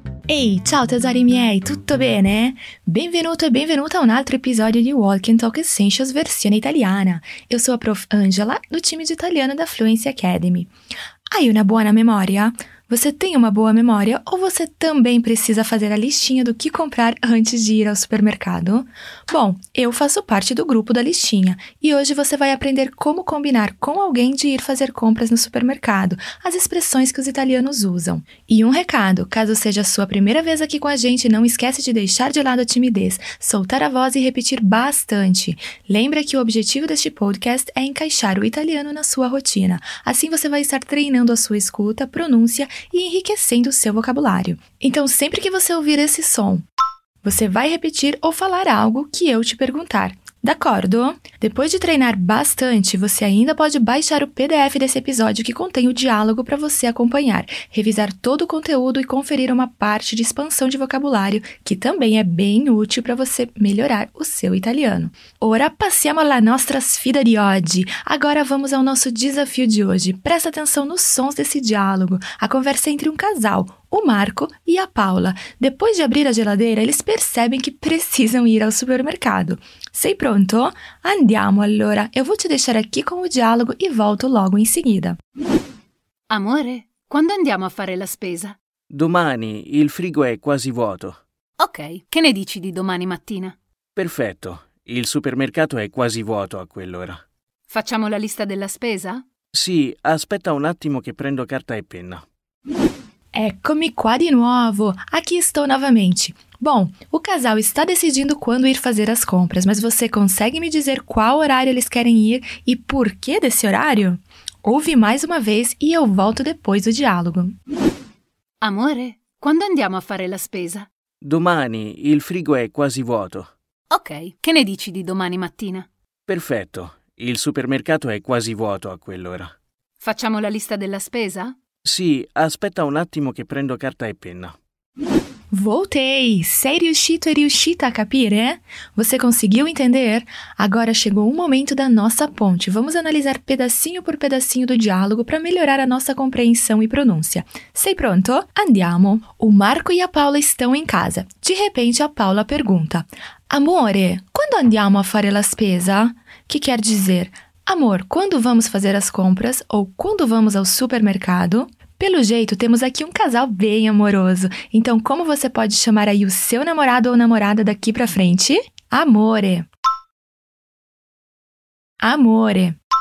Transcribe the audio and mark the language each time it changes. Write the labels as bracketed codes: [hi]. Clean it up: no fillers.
[it] Ehi, ciao tesori miei, tutto bene? Benvenuto e benvenuta a un altro episodio di Walk and Talk Essentials versione italiana. Io sono la prof. [pt] Angela, do time di italiano da Fluency Academy. [it] Hai una buona memoria? [pt] Você tem uma boa memória ou você também precisa fazer a listinha do que comprar antes de ir ao supermercado? Bom, eu faço parte do grupo da listinha e hoje você vai aprender como combinar com alguém de ir fazer compras no supermercado, as expressões que os italianos usam. E um recado, caso seja a sua primeira vez aqui com a gente, não esquece de deixar de lado a timidez, soltar a voz e repetir bastante. Lembra que o objetivo deste podcast é encaixar o italiano na sua rotina. Assim você vai estar treinando a sua escuta, pronúncia e enriquecendo o seu vocabulário. Então, sempre que você ouvir esse som, você vai repetir ou falar algo que eu te perguntar. [it] D'accordo? [pt] Depois de treinar bastante, você ainda pode baixar o PDF desse episódio que contém o diálogo para você acompanhar, revisar todo o conteúdo e conferir uma parte de expansão de vocabulário que também é bem útil para você melhorar o seu italiano. [it] Ora, passiamo alla nostra sfida di oggi. [pt] Agora vamos ao nosso desafio de hoje. Presta atenção nos sons desse diálogo, a conversa entre um casal, o Marco e a Paula. Depois de abrir a geladeira, eles percebem que precisam ir ao supermercado. [it] Sei pronto? Andiamo allora. [pt] Eu vou te deixar aqui com o diálogo e volto logo em seguida. [it] Amore, quando andiamo a fare la spesa? Domani, il frigo è quasi vuoto. Ok, che ne dici di domani mattina? Perfetto, il supermercato è quasi vuoto a quell'ora. Facciamo la lista della spesa? Sì, aspetta un attimo che prendo carta e penna. Eccomi qua di nuovo, [pt] aqui estou novamente. Bom, o casal está decidindo quando ir fazer as compras, mas você consegue me dizer qual horário eles querem ir e por que desse horário? Ouve mais uma vez e eu volto depois do diálogo. [it] Amore, quando andiamo a fare la spesa? Domani, il frigo è quasi vuoto. Ok, che ne dici di domani mattina? Perfetto, il supermercato è quasi vuoto a quell'ora. Facciamo la lista della spesa? Sì, aspetta un attimo che prendo carta e penna. [pt] Voltei! [it] Sei riuscito e riuscita a capire? [pt] Você conseguiu entender? Agora chegou o momento da nossa ponte. Vamos analisar pedacinho por pedacinho do diálogo para melhorar a nossa compreensão e pronúncia. [it] Sei pronto? Andiamo! [pt] O Marco e a Paula estão em casa. De repente, a Paula pergunta. [it] Amore, quando andiamo a fare la spesa? [pt] Que quer dizer... Amor, quando vamos fazer as compras ou quando vamos ao supermercado? Pelo jeito, temos aqui um casal bem amoroso. Então, como você pode chamar aí o seu namorado ou namorada daqui pra frente? [it] Amore. Amore.